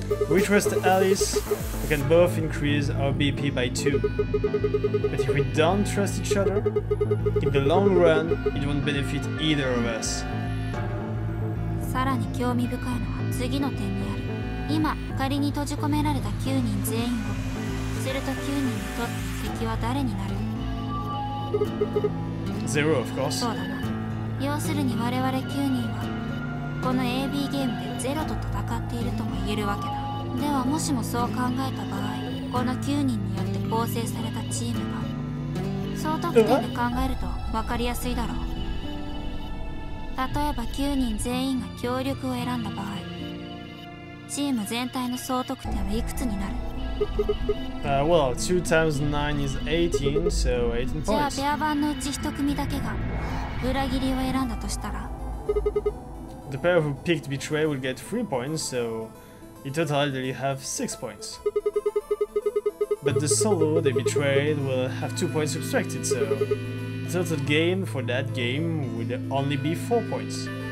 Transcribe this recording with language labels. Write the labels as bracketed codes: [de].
[en] We trust Alice, we can both increase our BP by 2. But if we don't trust each other, in the long run, it won't benefit either of us. [ja] さらに興味深いのは次の点にある。今仮に閉じ込められた9人全員を、すると9人にとって敵は誰になる？ゼロ、 [en] of course。 [ja] そうだな。要するに我々9人はこの AB ゲームでゼロと戦っているとも言えるわけだ。ではもしもそう考えた場合、この9人によって構成されたチームが総得点で考えると分かりやすいだろう。例えば9人全員が協力を選んだ場合、チーム全体の総得点はいくつになる？ [en] Well, 2 times 9 is 18, so 18 points. [ja] じゃあペア版のうち一組だけが裏切りを選んだとしたら、 [en] The pair who picked betray will get 3 points, so in total they have 6 points. But the solo they betrayed will have 2 points subtracted, so total gain for that game would only be 4 points.